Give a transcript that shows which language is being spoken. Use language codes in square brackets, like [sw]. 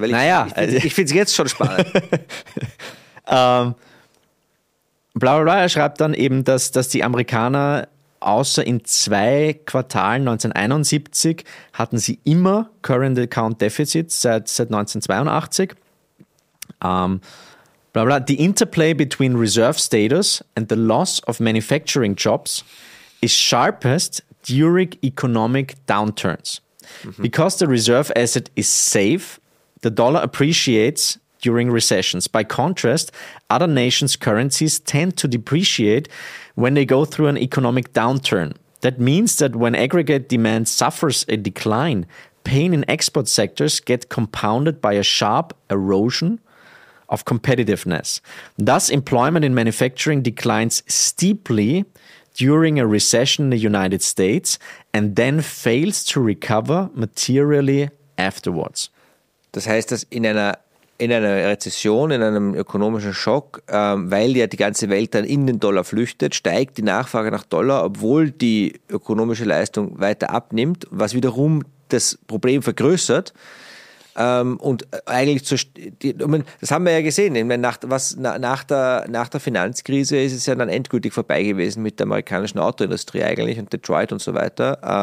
[de] Weil ich finde es jetzt schon spannend. Er schreibt dann eben, dass die Amerikaner außer in zwei Quartalen 1971 hatten sie immer Current Account Deficits seit 1982. [en] The interplay between reserve status and the loss of manufacturing jobs is sharpest during economic downturns. Because the reserve asset is safe, the dollar appreciates during recessions. By contrast, other nations' currencies tend to depreciate when they go through an economic downturn. That means that when aggregate demand suffers a decline, pain in export sectors get compounded by a sharp erosion of competitiveness. Thus, employment in manufacturing declines steeply during a recession in the United States and then fails to recover materially afterwards. [de] Das heißt, dass in einer Rezession, in einem ökonomischen Schock, weil ja die ganze Welt dann in den Dollar flüchtet, steigt die Nachfrage nach Dollar, obwohl die ökonomische Leistung weiter abnimmt, was wiederum das Problem vergrößert. Und eigentlich das haben wir ja gesehen, nach der Finanzkrise ist es ja dann endgültig vorbei gewesen mit der amerikanischen Autoindustrie eigentlich und Detroit und so weiter.